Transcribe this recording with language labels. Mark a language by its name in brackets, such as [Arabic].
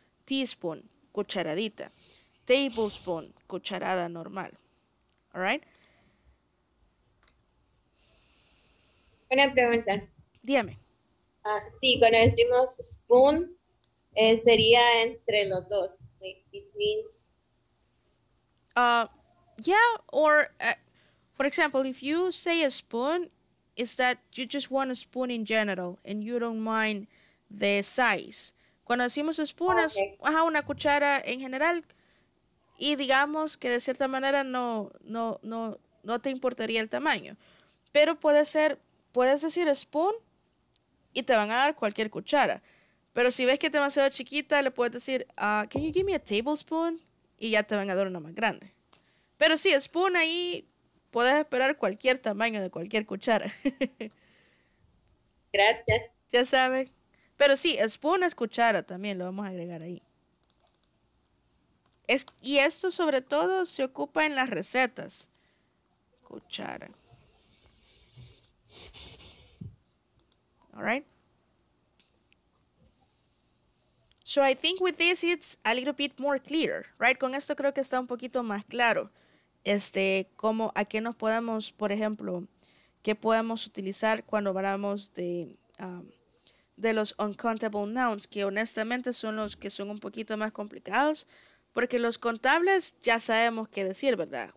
[English] Teaspoon, cucharadita. Tablespoon, cucharada normal. All right? [Spanish] Una pregunta. Dígame. Sí, cuando decimos spoon, sería entre los dos. [English] Between. Yeah, or, for example, if you say a spoon, is that you just want a spoon in general, and you don't mind the size. [Spanish] Cuando decimos spoon, okay. Ajá, una cuchara en general. Y digamos que de cierta manera no te importaría el tamaño. Pero puedes decir spoon y te van a dar cualquier cuchara. Pero si ves que es demasiado chiquita, le puedes decir, [English] can you give me a tablespoon? [Spanish] Y ya te van a dar una más grande. Pero sí, spoon ahí puedes esperar cualquier tamaño de cualquier cuchara. Gracias. Ya sabes. Pero sí, spoon es cuchara también, lo vamos a agregar ahí. Y esto sobre todo se ocupa en las recetas. cuchara. [English] All right. So I think with this it's a little bit more clear, right? [Spanish] Con esto creo que está un poquito más claro. Este, como a qué nos podamos, por ejemplo, qué podemos utilizar cuando hablamos de los uncountable nouns, que honestamente son los que son un poquito más complicados, porque los contables ya sabemos qué decir, ¿verdad?